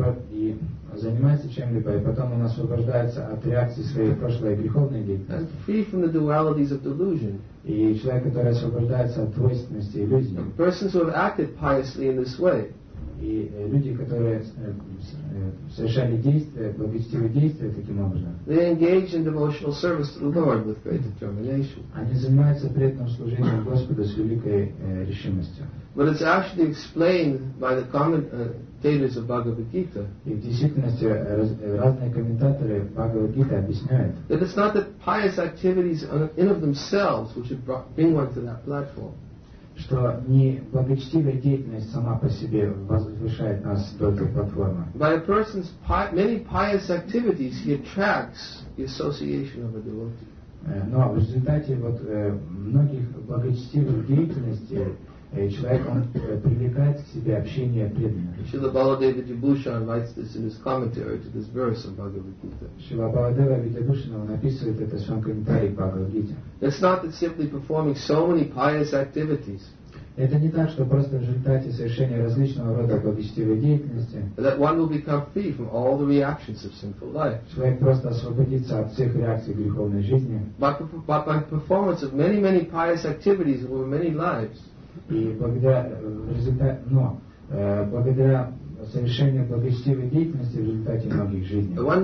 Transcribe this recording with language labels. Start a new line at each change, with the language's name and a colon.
Russian: и занимается чем-либо, и потом он освобождается от реакции своей прошлой греховной деятельности,
English: and free from the dualities of delusion,
Russian: и человек, который освобождается от двойственности иллюзии,
English: persons who have acted piously in this way,
Russian: и люди, которые совершали действия, благочестивые действия таким образом,
English: they engage in devotional service to the Lord with great determination.
Russian: Они занимаются преданным служением Господу с великой решимостью.
English: But it's actually explained by the commentators of Bhagavad Gita.
Russian: И в действительности разные комментаторы Бхагавад Гиты объясняют,
English: that it's not the pious activities in of themselves which should bring one to that platform.
Russian: Что не благочестивая деятельность сама по себе возвышает нас до этой платформы.
English: By a person's many pious activities, he attracts the association of a devotee.
Russian: Но в результате вот многих благочестивых деятельностей человек он привлекает к себе общение преданных.
English: Шрила Баладева Вибхушана writes this in his commentary to this verse of Bhagavad Gita.
Russian: Шрила Баладева Вибхушана описывает это в своем комментарии к Бхагавад Гите.
English: It's not that simply performing so many pious activities.
Russian: Это не так, что просто в результате совершения различного рода благочестивой деятельности
English: that one will become free from all the reactions of sinful life.
Russian: Человек просто освободится от всех реакций греховной жизни.
English: But by performance of many, many pious activities over many lives.
Russian: И благодаря совершение благочестивой деятельности в результате многих жизней.